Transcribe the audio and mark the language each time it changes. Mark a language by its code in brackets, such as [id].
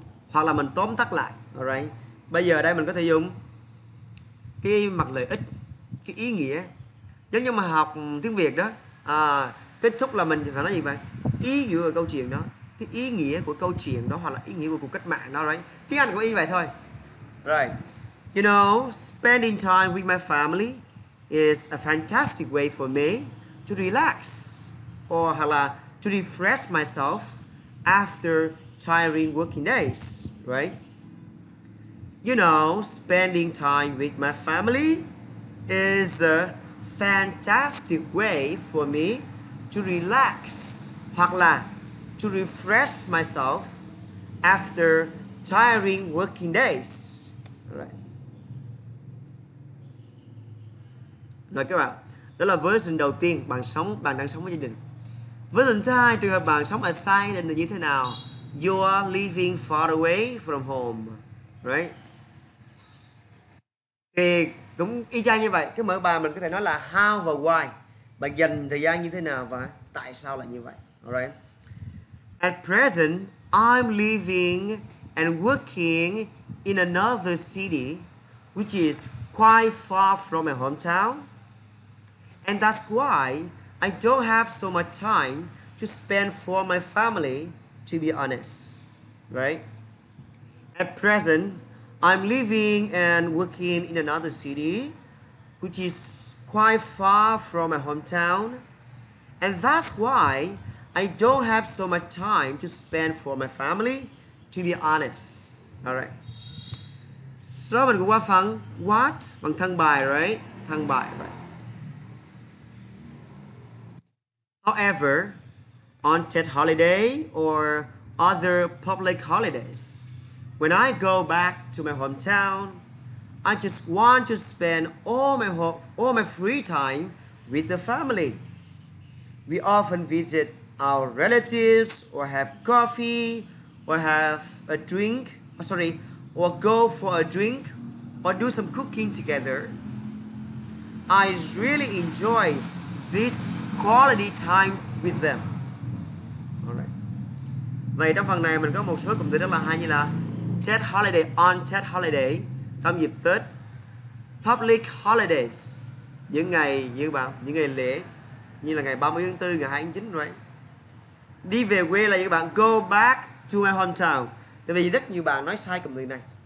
[vi] Hoặc là mình tóm tắt lại, alright? Bây giờ đây mình có thể dùng cái mặt lợi ích, cái ý nghĩa. Giống như mà học tiếng Việt đó, kết thúc là mình phải nói gì vậy? Ý nghĩa của câu chuyện đó, cái ý nghĩa của câu chuyện đó hoặc là ý nghĩa của cuộc cách mạng đó, right? Tiếng Anh cũng y vậy thôi. [en] Right. You know, spending time with my family is a fantastic way for me to relax or to refresh myself after tiring working days, right? You know, spending time with my family is a fantastic way for me to relax [vi] hoặc là [en] to refresh myself after tiring working days. Right. [vi] Rồi các bạn, đó là version đầu tiên bạn sống, bạn đang sống với gia đình. Version thứ hai, trường hợp bạn sống ở xa gia đình là như thế nào? [en] You are living far away from home, right? [vi] Thì cũng y chang như vậy. Cái mở bài mình có thể nói là how và why. Bạn dành thời gian như thế nào và tại sao là như vậy? [en] Alright. At present, I'm living and working in another city, which is quite far from my hometown. And that's why I don't have so much time to spend for my family, to be honest. Right? At present, I'm living and working in another city, which is quite far from my hometown. And that's why I don't have so much time to spend for my family, to be honest. Alright. [vi] So mình cũng qua phần what? Bằng thân bài, right? Thân bài, right? [en] However, on Tet holiday or other public holidays, when I go back to my hometown, I just want to spend all my free time with the family. We often visit our relatives or have coffee or have a drink, or go for a drink or do some cooking together. I really enjoy this quality time with them. Alright. [vi] Vậy trong phần này mình có một số cụm từ rất là hay như là Tết holiday, [en] on Tết holiday, [vi] trong dịp Tết, [en] public holidays, [vi] những ngày như bạn, những ngày lễ như là ngày 30 tháng 4, ngày 2 tháng 9, right? Đi về quê là như bạn [en] go back to my hometown. [vi] Tại vì rất nhiều bạn nói sai cụm từ này.